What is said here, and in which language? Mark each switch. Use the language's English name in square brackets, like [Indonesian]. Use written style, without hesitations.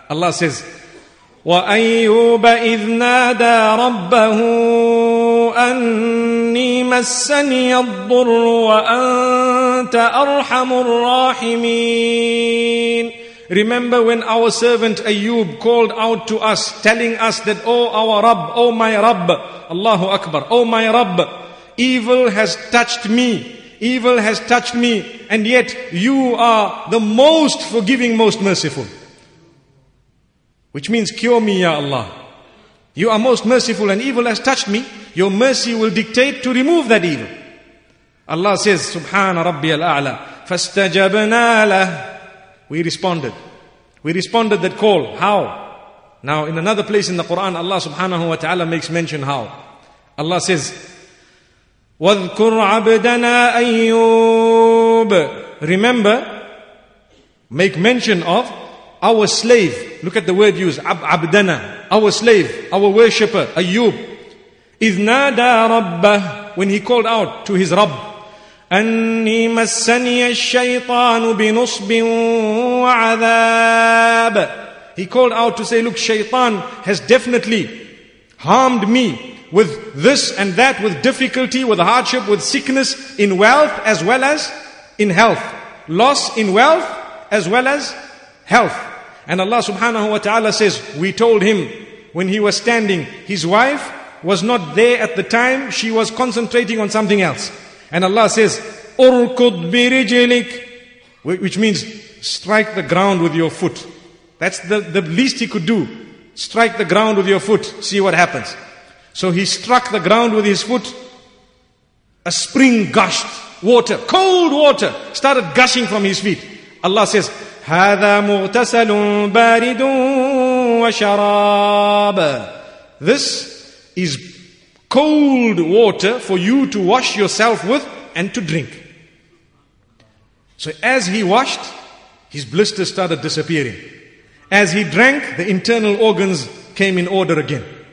[English] Allah says, [Arabic] وَأَيُّوبَ إِذْ نَادَى رَبَّهُ أَنِّي مَسَّنِيَ الضُّرُّ وَأَنْتَ أَرْحَمُ الرَّاحِمِينَ. [English] Remember when our servant Ayyub called out to us, telling us that, oh our Rabb, oh my Rabb, Allahu Akbar, oh my Rabb, evil has touched me, evil has touched me, and yet you are the most forgiving, most merciful. Which means, cure me, Ya Allah. You are most merciful and evil has touched me. Your mercy will dictate to remove that evil. Allah says, Subhana Rabbi al-A'la. [Arabic] Fastajabna lah. [English] We responded. We responded that call. How? Now, in another place in the Quran, Allah subhanahu wa ta'ala makes mention how. Allah says, [Arabic] Wadhkur abdana [English] Ayyub. Remember, make mention of our slave. Look at the word used, abdana, our slave, our worshipper, Ayyub. [Arabic] إِذْ نَادَى رَبَّهُ, [English] when he called out to his Rabb, [Arabic] أَنِّي مَسَّنِيَ الشَّيْطَانُ بِنُصْبٍ وَعَذَابٍ. [English] He called out to say, look, Shaytan has definitely harmed me with this and that with difficulty, with hardship, with sickness, in wealth as well as in health. Loss in wealth as well as health. And Allah subhanahu wa ta'ala says, we told him when he was standing, his wife was not there at the time, she was concentrating on something else. And Allah says, [Arabic] urkud birijilik, [English] which means strike the ground with your foot. That's the least he could do. Strike the ground with your foot, see what happens. So he struck the ground with his foot. A spring gushed, water, cold water, started gushing from his feet. Allah says, [Arabic] هَذَا مُغْتَسَلٌ بَارِدٌ وَشَرَابٌ. [English] This is cold water for you to wash yourself with and to drink. So as he washed, his blisters started disappearing. As he drank, the internal organs came in order again.